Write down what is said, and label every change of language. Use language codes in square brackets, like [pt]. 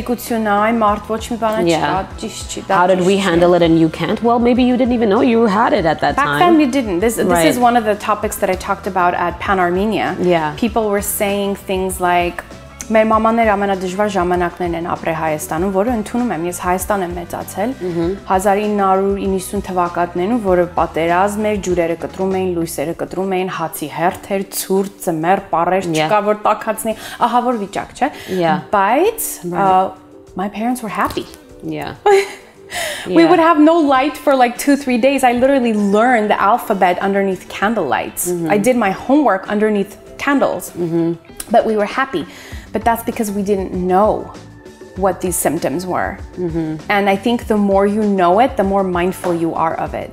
[en] How did we handle it and you can't? Well, maybe you didn't even know you had it at that time. Back then we didn't. This is one of the topics that I talked about at Pan Armenia. Yeah. People were saying things like, [hy] մեր մամաները ամենադժվար ժամանակներն են ապրել Հայաստանում, որը ընդունում եմ, ես Հայաստան եմ մեծացել 1990 թվականներում, որը պատերազմ էր, ջուրերը կտրում էին, լույսերը կտրում էին, հացի հերթ էր, ցուրտ, ծմեր, պարեր չկա, որ տակացնի, ահա որ վիճակ, չէ, բայց [en] my parents were happy. Yeah. Yeah. We would have no light for like 2-3 days. I literally learned the alphabet underneath candlelights. Mm-hmm. I did my homework underneath candles. Mm-hmm. But we were happy. But that's because we didn't know what these symptoms were. Mm-hmm. And I think the more you know it, the more mindful you are of it.